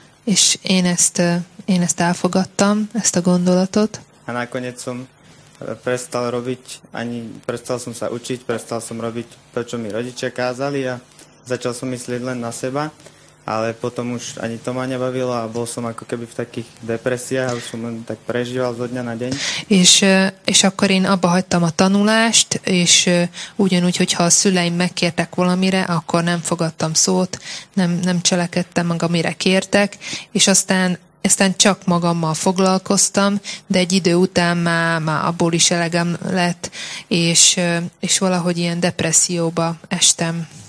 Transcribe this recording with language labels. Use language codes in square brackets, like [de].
[hu] És én ezt elfogadtam, ezt a gondolatot. [sk] A nakoniec som prestal robiť, ani prestal som sa učiť, prestal som robiť to, čo mi rodičia kázali a začal som myslieť len na seba, ale potom už ani to ma nebavilo a bol som ako keby v takých depresiách a už som len tak prežíval zo dňa na deň. [hu] És akkor én abba hagytam a tanulást, és ugyanúgy, hogyha a szüleim megkértek valamire, akkor nem fogadtam szót, nem cselekedtem meg, amire kértek, és aztán csak magammal foglalkoztam, de egy idő után már abból is elegem lett, és valahogy ilyen depresszióba estem.